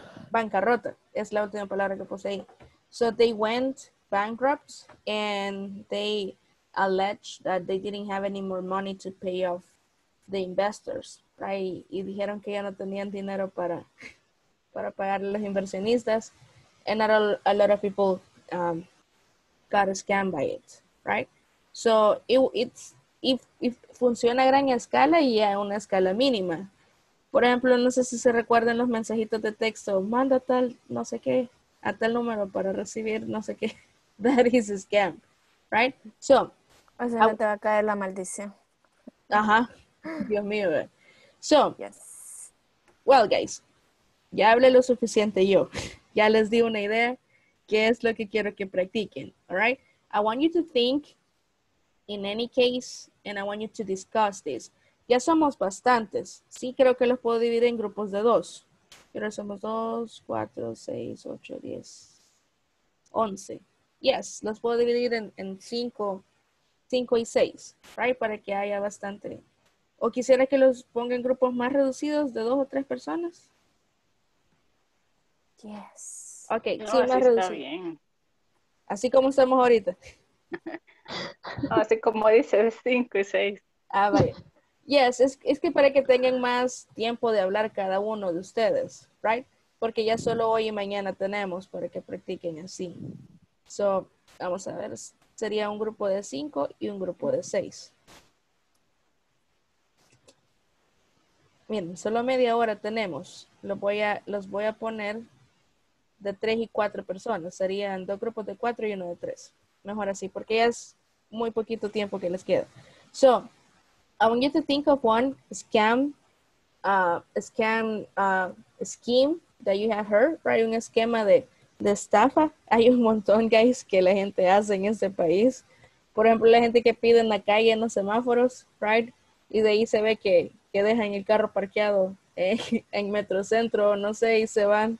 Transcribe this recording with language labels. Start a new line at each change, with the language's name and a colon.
Spanish: Bancarrota es la última palabra que puse ahí.
English: So they went bankrupt and they alleged that they didn't have any more money to pay off the investors, right?
Spanish: Y dijeron que ya no tenían dinero para pagar a los inversionistas,
English: and not a lot of people got scammed by it, right?
Spanish: So if funciona a gran escala y a una escala mínima. Por ejemplo, no sé si se recuerdan los mensajitos de texto, manda tal, no sé qué, a tal número para recibir, no sé qué.
English: That is a scam, right? So,
Spanish: o sea, no te va a caer la maldición. Ajá, Dios mío. So,
English: yes. Well, guys,
Spanish: ya hablé lo suficiente yo. Ya les di una idea qué es lo que quiero que practiquen,
English: all right? I want you to think in any case, and I want you to discuss this.
Spanish: Ya somos bastantes. Sí, creo que los puedo dividir en grupos de dos. Pero somos 2, 4, 6, 8, 10, 11. Yes, los puedo dividir en 5 y 6, right? Para que haya bastante. ¿O quisiera que los ponga en grupos más reducidos de 2 o 3 personas?
English: Yes. Ok,
Spanish: no, sí, más reducido. Está bien. Así como estamos ahorita. Así como dice, 5 y 6. Ah, vaya. Yes, es que para que tengan más tiempo de hablar cada uno de ustedes, right? Porque ya solo hoy y mañana tenemos para que practiquen así. So, vamos a ver, sería un grupo de 5 y un grupo de 6. Miren, solo media hora tenemos. Los voy a poner de 3 y 4 personas. Serían 2 grupos de 4 y 1 de 3. Mejor así, porque ya es muy poquito tiempo que les queda.
English: So, I want you to think of one scheme that you have heard, right?
Spanish: Un esquema de estafa. Hay un montón, guys, que la gente hace en este país. Por ejemplo, la gente que pide en la calle, en los semáforos, right? Y de ahí se ve que dejan el carro parqueado en Metrocentro, no sé, y se van.